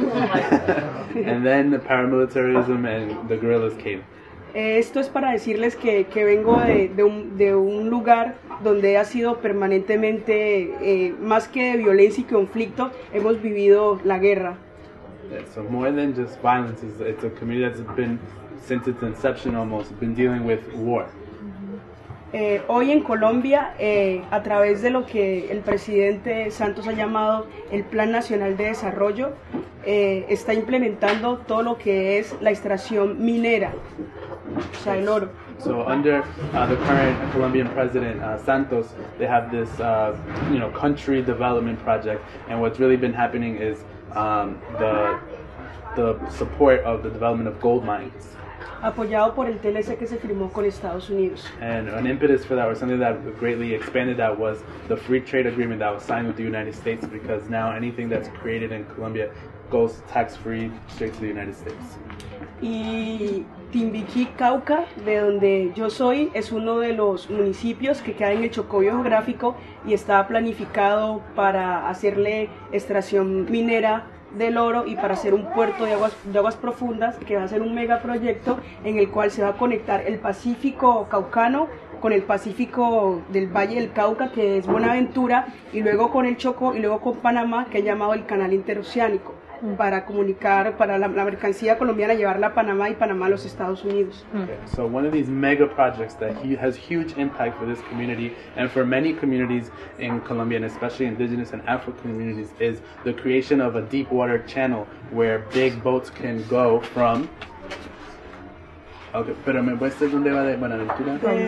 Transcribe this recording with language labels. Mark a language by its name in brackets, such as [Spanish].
[English] And then the paramilitarism and the guerrillas came. [Spanish] Esto es para decirles que vengo de un lugar donde ha sido permanentemente, más que de violencia y conflicto, hemos vivido la guerra. [English] Yeah, so more than just violence, it's a community that's been, since its inception almost, been dealing with war. [Spanish] Hoy en Colombia, a través de lo que el presidente Santos ha llamado el Plan Nacional de Desarrollo, está implementando todo lo que es la extracción minera, o sea, el oro. [English] So under the current Colombian president Santos, they have this country development project, and what's really been happening is the support of the development of gold mines. [Spanish] Apoyado por el TLC que se firmó con Estados Unidos. [English] And an impetus for that, or something that greatly expanded that, was the free trade agreement that was signed with the United States, because now anything that's created in Colombia goes tax-free straight to the United States. [Spanish] Y Timbiquí, Cauca, de donde yo soy, es uno de los municipios que queda en el Chocó geográfico y estaba planificado para hacerle extracción minera del oro y para hacer un puerto de aguas profundas, que va a ser un megaproyecto en el cual se va a conectar el Pacífico Caucano con el Pacífico del Valle del Cauca, que es Buenaventura, y luego con el Chocó y luego con Panamá, que han llamado el Canal Interoceánico, para comunicar, para la mercancía colombiana llevarla a Panamá y Panamá a los Estados Unidos. [English] Okay. So one of these mega projects that has huge impact for this community and for many communities in Colombia, and especially indigenous and Afro communities, is the creation of a deep water channel where big boats can go from... [Spanish] Okay, pero me puedes decir dónde va de Buenaventura?